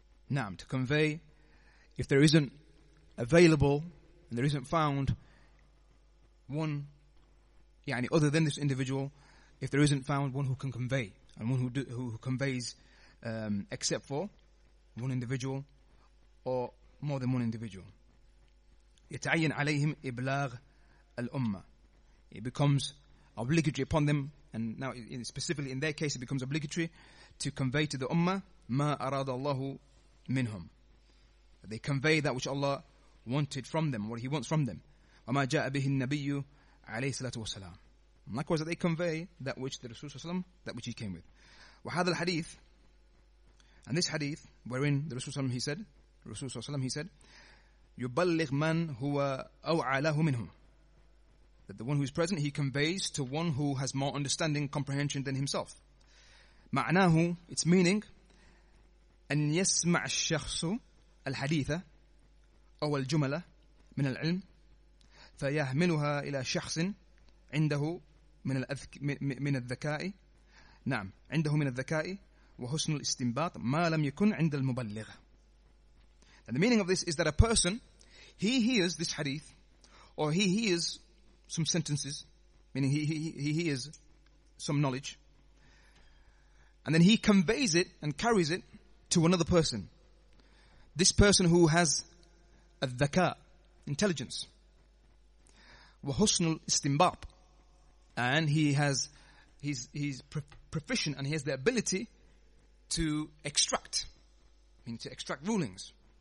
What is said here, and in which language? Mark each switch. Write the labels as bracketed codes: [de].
[en] Naam, to convey, if there isn't available, and there isn't found one, yani other than this individual, if there isn't found one who can convey, and one who conveys except for one individual, or more than one individual. [ar] يتعين عليهم إبلاغ الأمة. [en] It becomes obligatory upon them, and now specifically in their case, it becomes obligatory to convey to the ummah [ar] ما أراد الله منهم. [en] They convey that which Allah wanted from them, what He wants from them. [ar] وما جاء به النبي عليه الصلاة والسلام. [en] Likewise, they convey that which the Rasul sallam, that which He came with. [ar] وهذا الحديث, [en] and this hadith wherein the Rasul sallam, He said, Rasul sallam, He said, [ar] يبلغ من هو أوعى له منهم. [en] That the one who is present, he conveys to one who has more understanding, comprehension than himself. [ar] معناه, [en] its meaning, [ar] أن يسمع الشخص الحديثة أو الجملة من العلم فيهملها إلى شخص عنده من الذكاء. نعم, عنده من الذكاء وحسن الاستنباط ما لم يكن عند المبلغ. [en] And the meaning of this is that a person, he hears this hadith, or he hears some sentences, meaning he hears some knowledge, and then he conveys it and carries it to another person. This person who has a dhaka, intelligence, [ar] wahusnul istimbab, [en] and he's proficient and he has the ability to extract, meaning to extract rulings.